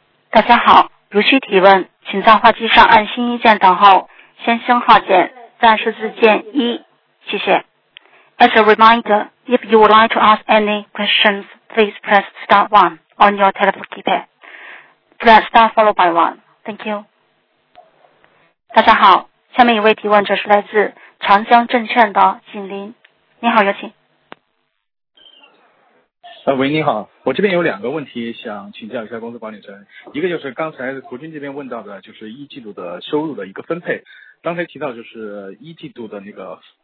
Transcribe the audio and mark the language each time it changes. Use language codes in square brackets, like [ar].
[zh] 大家好，如需提问，请在话机上按星一键等候，先星号键，再数字键一，谢谢。 [en] As a reminder, if you would like to ask any questions, please press star 1 on your telephone keypad. Press star followed by 1. Thank you. [zh] 大家好，下面一位提问者是来自长江证券的景林。你好，有请。喂，你好，我这边有两个问题想请教一下公司管理层。一个就是刚才国军这边问到的，就是一季度的收入的一个分配。刚才提到就是一季度的那个